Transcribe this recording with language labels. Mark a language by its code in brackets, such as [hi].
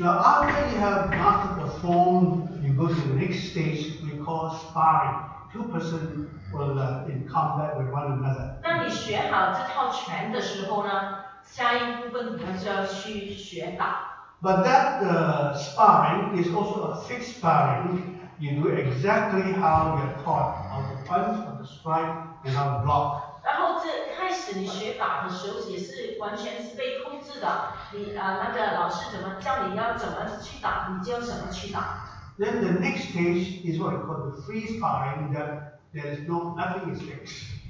[en] Now after you have mastered the form, you go to the next stage, we call sparring. Two persons will in combat with one another. [zh] 当你学好这套拳的时候呢，下一部分还是要去学打。 [en] But that sparring is also a fixed sparring. You do exactly how you're taught, how to punch, how to strike, and how to block. [zh] 然后这开始你学打的时候也是完全是被控制的，那个老师怎么教你要怎么去打，你就怎么去打。 [en] Then the next stage is what we call the free sparring, that there is nothing is fixed.